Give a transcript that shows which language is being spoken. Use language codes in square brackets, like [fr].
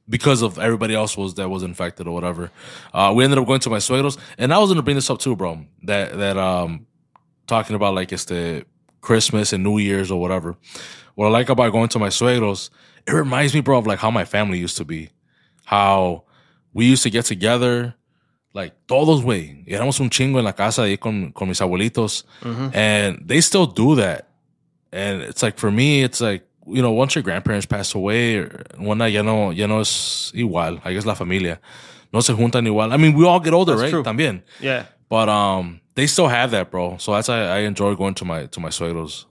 [en] because of everybody else was that was infected or whatever. We ended up going to my suegro's, and I was gonna bring this up too, bro. That talking about like it's the Christmas and New Year's or whatever. What I like about going to my suegro's, it reminds me, bro, of like how my family used to be, how we used to get together. [es] Like, todos, güey. Éramos un chingo en la casa ahí con mis abuelitos. [en] Mm-hmm. And they still do that. And it's like, for me, it's like, you know, once your grandparents pass away, or [es] ya no, ya no es igual. [en] I guess [es] la familia. No se juntan igual. [en] I mean, we all get older, that's right? True. [es] También. [en] Yeah. But they still have that, bro. So that's why I enjoy going to my suegros.